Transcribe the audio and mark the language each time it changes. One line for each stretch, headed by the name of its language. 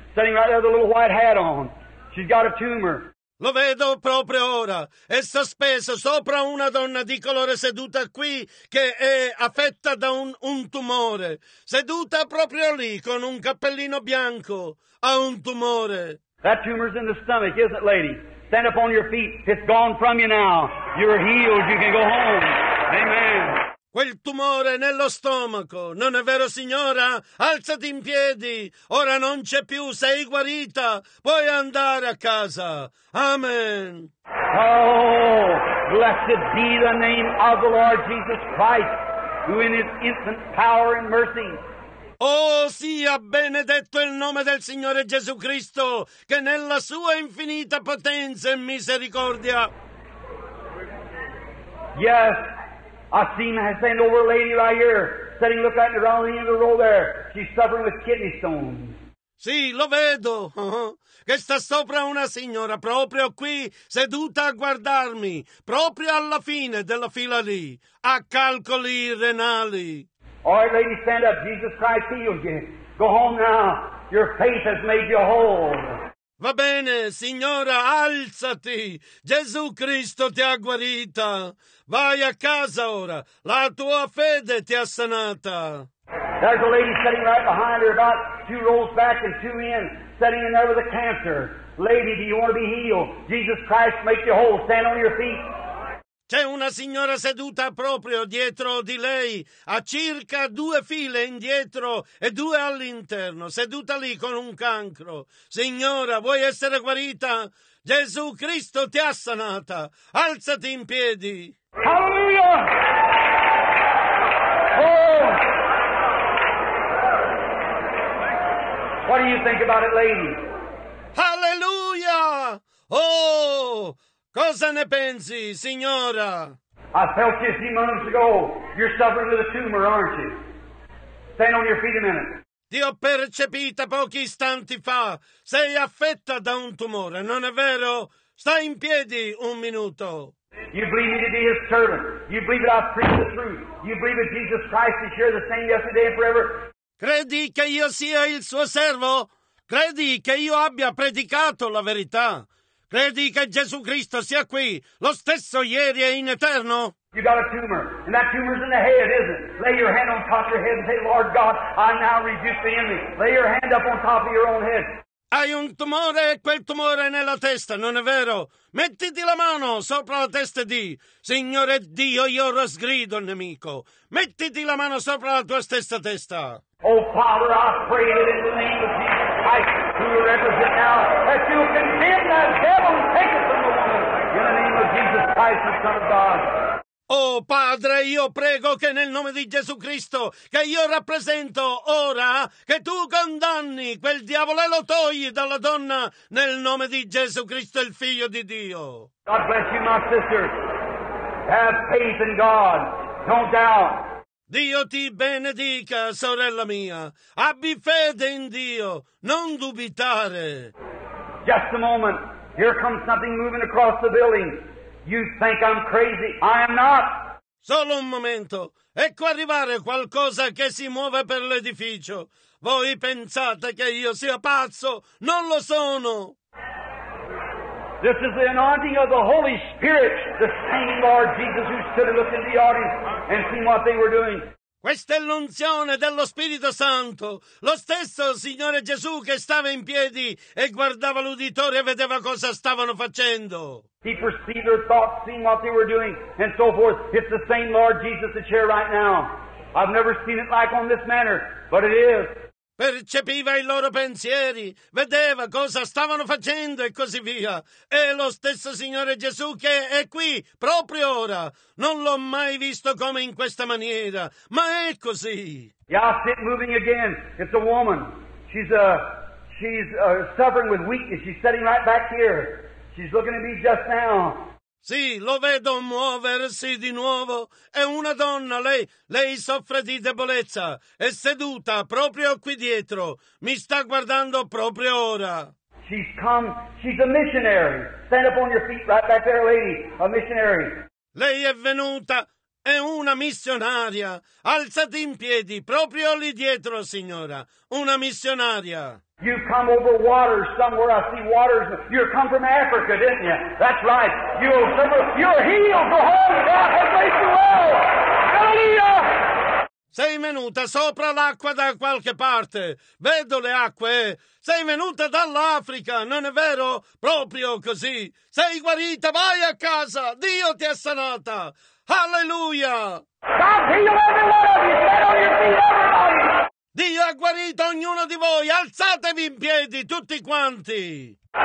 English: Sitting right there with a little white hat on. She's got a tumor.
Italian: Lo vedo proprio ora. È sospeso sopra una donna di colore seduta qui che è affetta da un tumore. Seduta proprio lì con un cappellino bianco. Ha un tumore.
English: That tumor's in the stomach, isn't it, lady? Stand up on your feet. It's gone from you now. You're healed. You can go home. Amen.
Italian: Quel tumore nello stomaco. Non è vero, signora? Alzati in piedi. Ora non c'è più. Sei guarita. Puoi andare a casa. Amen.
English: Oh, blessed be the name of the Lord Jesus Christ, who in his infinite power and mercy...
Italian: Oh, sia benedetto il nome del Signore Gesù Cristo, che nella sua infinita potenza e misericordia...
English: Yes. I see my hand over a lady right here, sitting looking at the round the end of the row there. She's suffering with kidney stones.
Italian: Sì, lo vedo. Che sta sopra una signora, proprio qui, seduta a guardarmi, proprio alla fine della fila lì, a calcoli renali.
English: All right, lady, stand up. Jesus Christ healed you. Go home now. Your faith has made you whole.
Italian: Va bene, signora, alzati. Gesù Cristo ti ha guarita. Vai a casa ora. La tua fede ti ha sanata.
English: There's a lady sitting right behind her, about two rows back and two in, sitting in there with a cancer. Lady, do you want to be healed? Jesus Christ makes you whole. Stand on your feet.
Italian: C'è una signora seduta proprio dietro di lei, a circa due file indietro e due all'interno, seduta lì con un cancro. Signora, vuoi essere guarita? Gesù Cristo ti ha sanata. Alzati in piedi.
English: Hallelujah! Oh! What do you think about it, lady?
Italian: Hallelujah! Oh! Cosa ne pensi, signora?
English: I felt you a few moments ago. You're suffering with a tumor, aren't you? Stand on your feet a minute.
Italian: Ti ho percepita pochi istanti fa. Sei affetta da un tumore, non è vero? Stai in piedi un minuto.
English: You believe me to be his servant. You believe that I've preached the truth. You believe that Jesus Christ is here the same yesterday and forever.
Italian: Credi che io sia il suo servo? Credi che io abbia predicato la verità? Credi che Gesù Cristo sia qui, lo stesso ieri e in eterno?
English: You got a tumor, and that tumor's in the head, isn't it? Lay your hand on top of your head and say, Lord God, I now rebuke the enemy. Lay your hand up on top of your own head.
Italian: Hai un tumore e quel tumore è nella testa, non è vero? Mettiti la mano sopra la testa di, Signore Dio, io rosgrido il nemico. Mettiti la mano sopra la tua stessa testa.
English: Oh, Father, I pray that in the name of Jesus Christ, who you represent now, that you condemn that devil and take it from the woman. In the name of Jesus Christ, the Son of God.
Italian: Oh, Padre, io prego che nel nome di Gesù Cristo, che io rappresento ora, che tu condanni quel diavolo e lo togli dalla donna nel nome di Gesù Cristo, il Figlio di Dio.
English: God bless you, my sister. Have faith in God. Don't doubt.
Italian: Dio ti benedica, sorella mia. Abbi fede in Dio. Non dubitare.
English: Just a moment. Here comes something moving across the building. You think I'm crazy? I am not.
Italian: Solo un momento. Ecco arrivare qualcosa che si muove per l'edificio. Voi pensate che io sia pazzo? Non lo sono.
English: This is the anointing of the Holy Spirit, the same Lord Jesus who stood and looked in the audience and seen what they were doing.
Italian: Questa è l'unzione dello Spirito Santo, lo stesso Signore Gesù che stava in piedi e guardava l'uditorio e vedeva cosa stavano facendo.
English: He perceived their thoughts, seen what they were doing, and so forth. It's the same Lord Jesus that's here right now. I've never seen it like on this manner, but it is.
Italian: Percepiva i loro pensieri, vedeva cosa stavano facendo e così via. È lo stesso Signore Gesù che è qui, proprio ora. Non l'ho mai visto come in questa maniera, ma è così.
English: Yeah, I see it moving again. It's a woman. She's suffering with weakness. She's sitting right back here. She's looking at me just now.
Italian: Sì, lo vedo muoversi di nuovo. È una donna, lei soffre di debolezza. È seduta proprio qui dietro. Mi sta guardando proprio ora.
English: She's come, she's a missionary. Stand up on your feet right back there, lady. A missionary.
Italian: Lei è venuta, è una missionaria. Alzati in piedi, proprio lì dietro, signora. Una missionaria.
English: You come over waters somewhere. I see waters. You come from Africa, didn't you? That's right. You over. You're healed. The whole God has made you well. Hallelujah.
Italian: Sei venuta sopra l'acqua da qualche parte. Vedo le acque. Sei venuta dall'Africa, non è vero? Proprio così. Sei guarita. Vai a casa. Dio ti ha sanata. Hallelujah.
English: God healed every one of you. Stand on your feet, everybody.
Italian: Dio ha guarito ognuno di voi, alzatevi in piedi tutti quanti!